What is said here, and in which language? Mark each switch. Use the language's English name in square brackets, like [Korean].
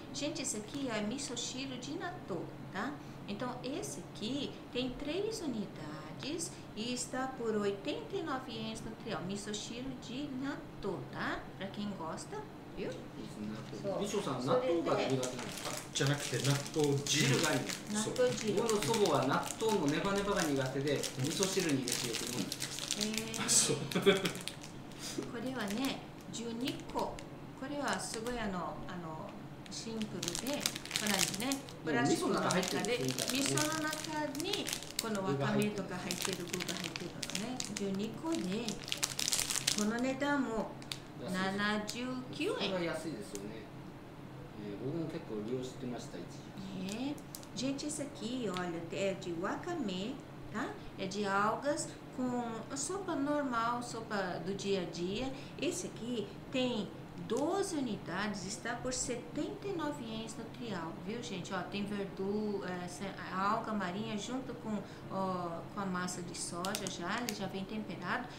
[Portuguese] Gente, esse aqui é miso shiro de natto, tá? Então, esse aqui tem 3 unidades e está por 89 ienes no trial. Miso shiro de natto, tá? Pra quem gosta... [Japanese] みそさん、納豆が苦手なんですか？じゃなくて納豆汁がいい。納豆汁。僕の祖母は納豆のネバネバが苦手で、味噌汁に入れてよく飲んでます。そう。これはね、12個。これはすごいシンプルで、かなりね、ブラシの中で、味噌の中にこのわかめとか入ってる具が入ってるのね。 12個で、この値段も、79円。これは安いですよね。僕も結構利用してました、一時。 [Portuguese] Gente, esse aqui, olha, é de wakame, tá? É de algas com sopa normal, sopa do dia a dia. Esse aqui tem 12 unidades está por R$79 no trial, viu gente? Ó, tem verdura, alga marinha junto com a massa de soja já, ele já vem temperado.